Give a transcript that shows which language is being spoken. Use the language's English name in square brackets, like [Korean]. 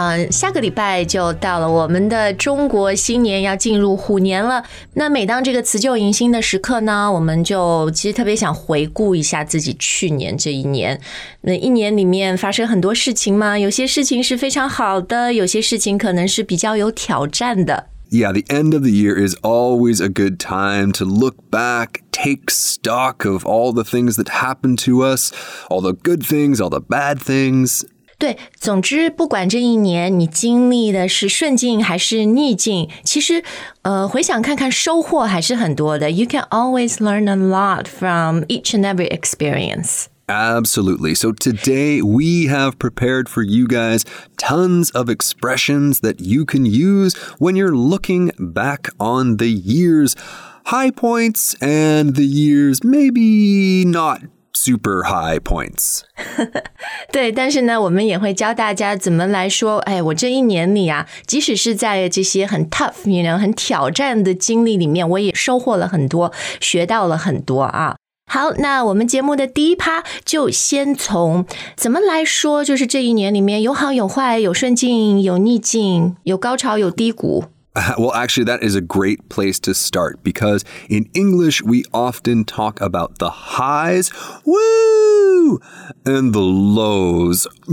[Chinese] 下个礼拜就到了我们的中国新年要进入虎年了。那每当这个辞旧迎新的时刻呢，我们就其实特别想回顾一下自己去年这一年。那一年里面发生很多事情吗？有些事情是非常好的，有些事情可能是比较有挑战的。 [English] Yeah, the end of the year is always a good time to look back, take stock of all the things that happened to us, all the good things, all the bad things. [Chinese] 对，总之不管这一年你经历的是顺境还是逆境，其实回想看看收获还是很多的。 [English] You can always learn a lot from each and every experience. Absolutely. So today we have prepared for you guys tons of expressions that you can use when you're looking back on the year's high points and the year's maybe not super high points. [Chinese] 对，但是呢，我们也会教大家怎么来说，哎，我这一年里啊，即使是在这些很 [English] tough, you know, [Chinese] 很挑战的经历里面，我也收获了很多，学到了很多啊。好，那我们节目的第一趴就先从怎么来说，就是这一年里面有好有坏，有顺境，有逆境，有高潮，有低谷。 [English] Well, actually, that is a great place to start because in English, we often talk about the highs, woo, and the lows,